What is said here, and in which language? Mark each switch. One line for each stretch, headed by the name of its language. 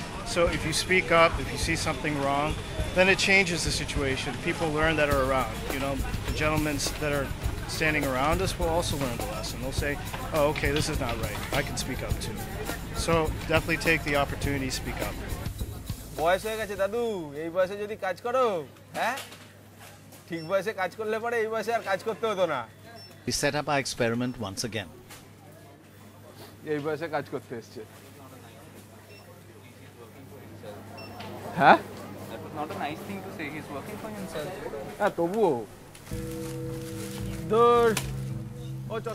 English: So if you speak up, if you see something wrong, then it changes the situation. People learn that are around, you know, the gentlemen that are standing around us will also learn the lesson. They'll say, oh, okay, this is not right. I can speak up too. So definitely take the opportunity to speak up.
Bangla: বয়স হয়ে গেছে দাদু, এই বয়সে যদি কাজ করো, হ্যাঁ ঠিক বয়সে কাজ করলে পরে এই বয়সে আর কাজ করতে হতো না।
English: We set up our experiment once again.
Bangla: এই বয়সে কাজ করতে এসেছে, হ্যাঁ
English: not a nice thing to say, he's working for himself.